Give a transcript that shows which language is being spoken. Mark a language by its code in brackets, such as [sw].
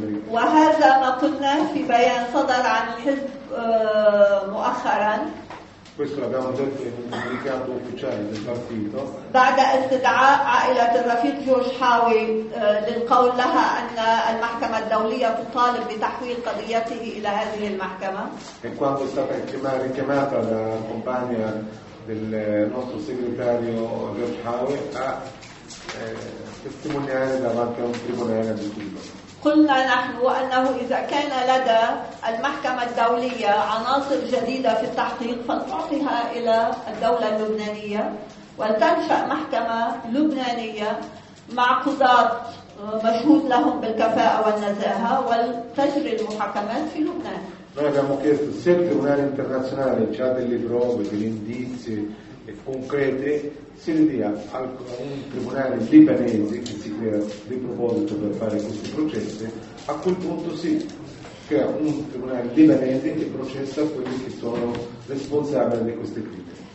[ar] وهذا ما قلناه في بيان صدر عن الحزب مؤخرا. [it] Questo l'abbiamo detto in un comunicato ufficiale del partito. [ar] بعد استدعاء عائلة الرفيق جورج حاوي للقول لها أن المحكمة الدولية تطالب بتحويل قضيته إلى هذه المحكمة. [it] E quando è stata richiamata la compagna del nostro segretario George Howe a testimoniare davanti a un tribunale di Cuba. [ar] قلنا نحن أنه إذا كان لدى المحكمة الدولية عناصر جديدة في التحقيق فلتعطيها إلى الدولة اللبنانية ولتنشأ محكمة لبنانية مع قضاة مشهود لهم بالكفاءة والنزاهة ولتجري المحاكمات في لبنان. [it] Noi abbiamo chiesto se il Tribunale Internazionale ha delle prove, degli indizi concreti, si li dia a un tribunale libanese che si crea di proposito per fare questi processi, a quel punto si crea un tribunale libanese che processa quelli che sono responsabili di queste crisi.